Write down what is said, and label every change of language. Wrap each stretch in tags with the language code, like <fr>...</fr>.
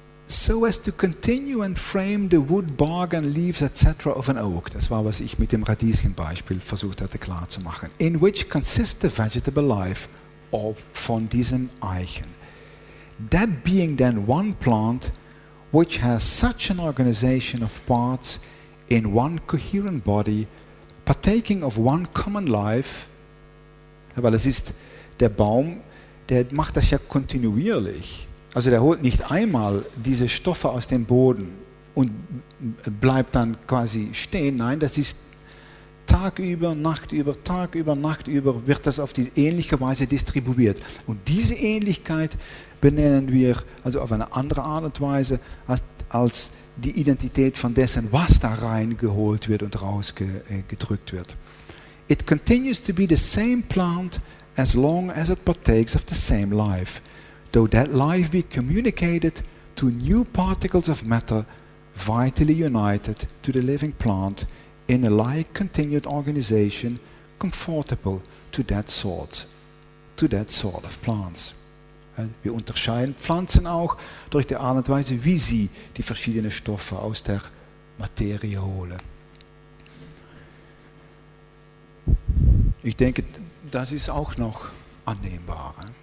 <en>So as to continue and frame the wood, bark and leaves etc. of an oak.</en> <de>Das war, was ich mit dem Radieschenbeispiel versucht hatte klarzumachen.</de> <en>In which consists the vegetable life of</en> <de>von diesem Eichen.</de> <en>That being then one plant which has such an organization of parts in one coherent body partaking of one common life.</en> <de>Weil es ist der Baum, der macht das ja kontinuierlich. Also der holt nicht einmal diese Stoffe aus dem Boden und bleibt dann quasi stehen. Nein, das ist Tag über, Nacht über wird das auf die ähnliche Weise distribuiert. Und diese Ähnlichkeit benennen wir also auf eine andere Art und Weise als die Identität von dessen, was da reingeholt wird und rausgedrückt wird.</de> <en>It continues to be the same plant as long as it partakes of the same life. Though that life be communicated to new particles of matter vitally united to the living plant in a like continued organization comfortable to that sort of plants.</en> <de>Wir unterscheiden Pflanzen auch durch die Art und Weise, wie sie die verschiedenen Stoffe aus der Materie holen. Ich denke, das ist auch noch annehmbar.</de>